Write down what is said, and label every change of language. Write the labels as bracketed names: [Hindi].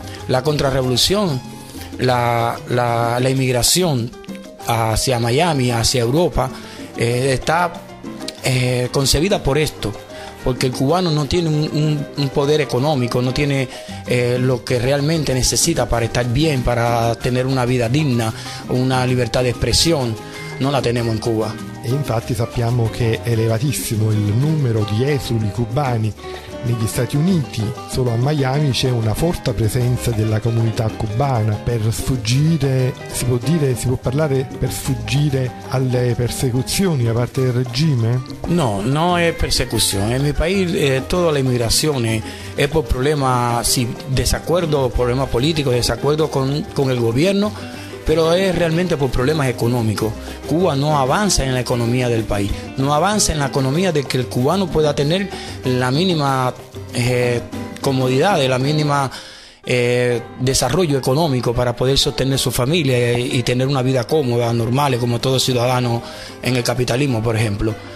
[Spanish] La contrarrevolución, la inmigración hacia Miami, hacia Europa, está concebida por esto, porque el cubano no tiene un poder económico, no tiene lo que realmente necesita para estar bien, para tener una vida digna, una libertad de expresión, no la tenemos en Cuba. [Italian] E infatti sappiamo che è elevatissimo il numero di esuli cubani negli Stati Uniti. Solo a Miami c'è una forte presenza della comunità cubana. Per sfuggire, si può parlare per sfuggire alle persecuzioni da parte del regime? No, no è persecuzione. Nel mio paese tutta l'immigrazione è per problema, sì, disaccordo, problema politico, disaccordo con il governo. [Spanish] Pero es realmente por problemas económicos. Cuba no avanza en la economía del país, no avanza en la economía de que el cubano pueda tener la mínima comodidad, la mínima desarrollo económico para poder sostener su familia y tener una vida cómoda, normal, como todo ciudadano en el capitalismo, por ejemplo.